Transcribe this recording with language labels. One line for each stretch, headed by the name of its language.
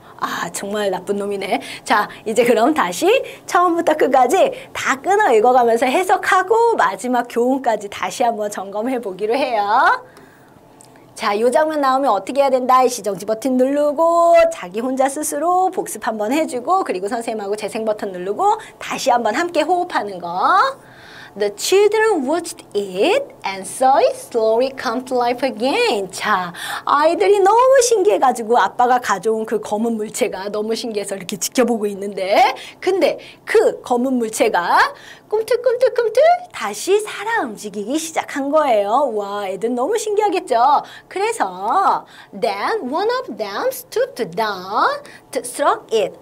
Korean: 아, 정말 나쁜 놈이네. 자, 이제 그럼 다시 처음부터 끝까지 다 끊어 읽어가면서 해석하고 마지막 교훈까지 다시 한번 점검해 보기로 해요. 자, 요 장면 나오면 어떻게 해야 된다? 시정지 버튼 누르고 자기 혼자 스스로 복습 한번 해주고 그리고 선생님하고 재생 버튼 누르고 다시 한번 함께 호흡하는 거.
English: The children watched it and saw it slowly come to life again.
Korean: 자, 아이들이 너무 신기해가지고 아빠가 가져온 그 검은 물체가 너무 신기해서 이렇게 지켜보고 있는데 근데 그 검은 물체가 꿈틀꿈틀꿈틀 다시 살아 움직이기 시작한 거예요. 와, 애들 너무 신기하겠죠? 그래서
English: Then one of them stooped down to stroke it.